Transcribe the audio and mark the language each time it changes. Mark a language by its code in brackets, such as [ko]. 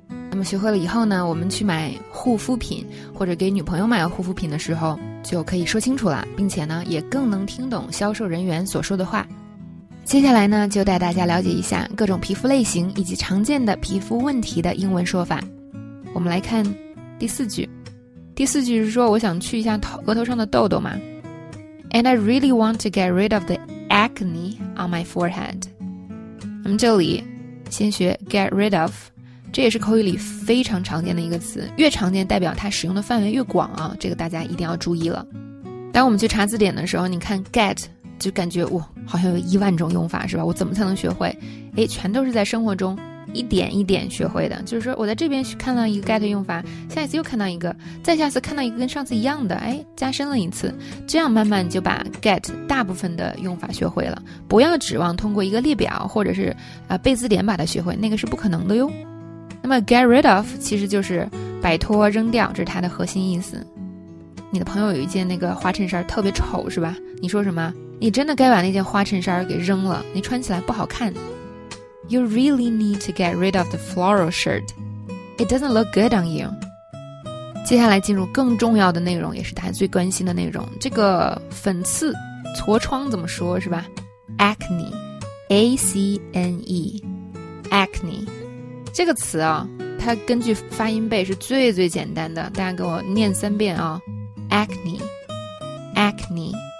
[zh] 那么学会了以后呢，我们去买护肤品或者给女朋友买护肤品的时候就可以说清楚了，并且呢也更能听懂销售人员所说的话。接下来呢，就带大家了解一下各种皮肤类型以及常见的皮肤问题的英文说法。我们来看第四句。第四句是说，我想去一下额头上的痘痘嘛。 [en] And I really want to get rid of the acne on my forehead. [zh] 那么这里先学 get rid of， 这也是口语里非常常见的一个词，越常见代表它使用的范围越广啊，这个大家一定要注意了。当我们去查字典的时候，你看 get 就感觉哇，好像有一万种用法是吧，我怎么才能学会，哎，全都是在生活中一点一点学会的，就是说我在这边看到一个 get 用法，下一次又看到一个，再下次看到一个跟上次一样的，哎，加深了一次，这样慢慢就把 get 大部分的用法学会了。不要指望通过一个列表或者是背字典把它学会，那个是不可能的哟。那么 get rid of 其实就是摆脱扔掉，这是它的核心意思。你的朋友有一件那个花衬衫特别丑是吧，你说什么，你真的该把那件花衬衫给扔了，你穿起来不好看。 [en] You really need to get rid of the floral shirt. It doesn't look good on you. [zh] 接下来进入更重要的内容，也是大家最关心的内容。这个粉刺、痤疮怎么说是吧 ？Acne, A-C-N-E, acne. 这个词啊，它根据发音背是最最简单的，大家给我念三遍啊 ，acne, acne.